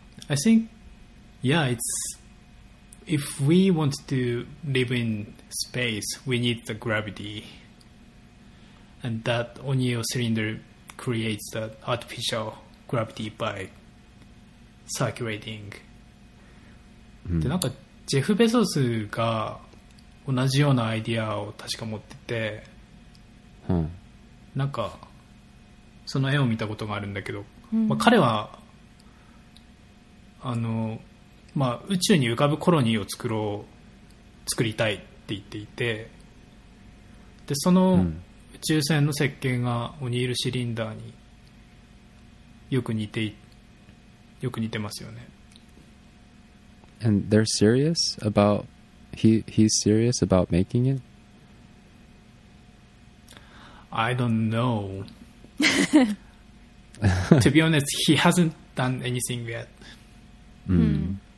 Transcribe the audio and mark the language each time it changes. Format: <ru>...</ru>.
<en>I think, yeah, it's... If we want to live in space, we need the gravity. And that O'Neill cylinder creates the artificial gravity by circulating.、Mm.</en> <ja>で、なんか、ジェフ・ベゾスが同じようなアイディアを確か持ってて、 huh. なんか、その絵を見たことがあるんだけど、mm. まあ、彼は、あの、まあ、宇宙に浮かぶコロニーを作りたいって言っていて、でその宇宙船の設計がオニールシリンダーによく似てますよね。</ja> <en>And they're serious about he's serious about making it? I don't know. To be honest, he hasn't done anything yet. Hmm.</en>